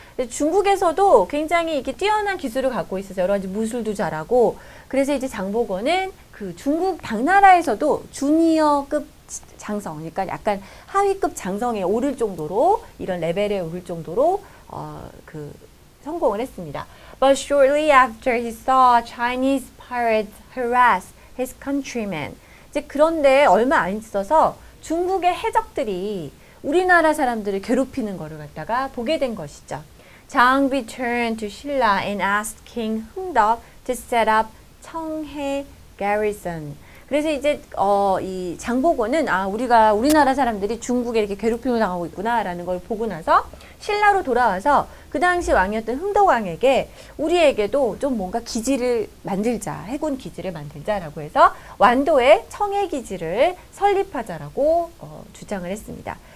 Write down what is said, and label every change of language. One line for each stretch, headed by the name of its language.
Korean: 중국에서도 굉장히 이렇게 뛰어난 기술을 갖고 있어서 여러 가지 무술도 잘하고 그래서 이제 장보고는 그 중국 당나라에서도 주니어급 장성, 그러니까 약간 하위급 장성에 오를 정도로 이런 레벨에 오를 정도로 그 성공을 했습니다.
English: But shortly after he saw Chinese pirates harass his countrymen.
Korean: 이제 그런데 얼마 안 있어서 중국의 해적들이 우리나라 사람들을 괴롭히는 거를 갖다가 보게 된 것이죠.
English: Zhang returned to Silla and asked King Hungdeok to set up 청해 garrison.
Korean: 그래서 이제 이 장보고는 아 우리가 우리나라 사람들이 중국에 이렇게 괴롭힘을 당하고 있구나라는 걸 보고 나서 신라로 돌아와서 그 당시 왕이었던 흥덕왕에게 우리에게도 좀 뭔가 기지를 만들자, 해군 기지를 만들자라고 해서 완도에 청해 기지를 설립하자라고 주장을 했습니다.